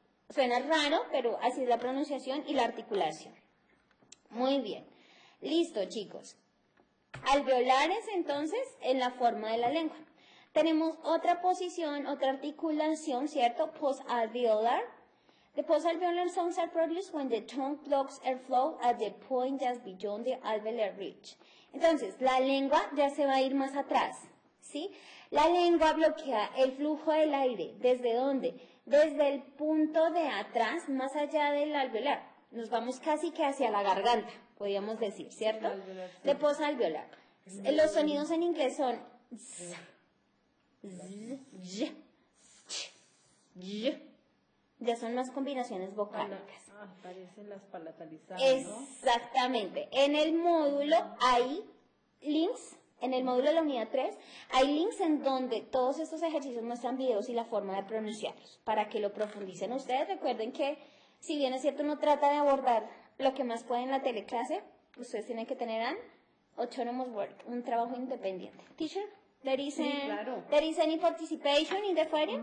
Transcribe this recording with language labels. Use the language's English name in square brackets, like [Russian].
[Spanish] Suena raro, pero así es la pronunciación y la articulación. Muy bien. Listo, chicos. Alveolares, entonces, en la forma de la lengua. Tenemos otra posición, otra articulación, ¿cierto? Postalveolar. [English] The postalveolar sounds are produced when the tongue blocks airflow at the point just beyond the alveolar ridge. [Spanish] Entonces, la lengua ya se va a ir más atrás, ¿sí? La lengua bloquea el flujo del aire. ¿Desde dónde? Desde el punto de atrás, más allá del alveolar. Nos vamos casi que hacia la garganta, podríamos decir, ¿cierto? De posalveolar. Los sonidos en inglés son z, z, z, z, z. Ya son más combinaciones vocálicas. Aparecen las palatalizadas, ¿no? Exactamente. En el módulo hay links, en el módulo de la unidad 3, hay links en donde todos estos ejercicios muestran videos y la forma de pronunciarlos. Para que lo profundicen ustedes, recuerden que si bien es cierto, uno trata de abordar lo que más puede en la teleclase, ustedes tienen que tener [English] an autonomous work, [Spanish] un trabajo independiente. [English] Teacher, there is any participation in the forum?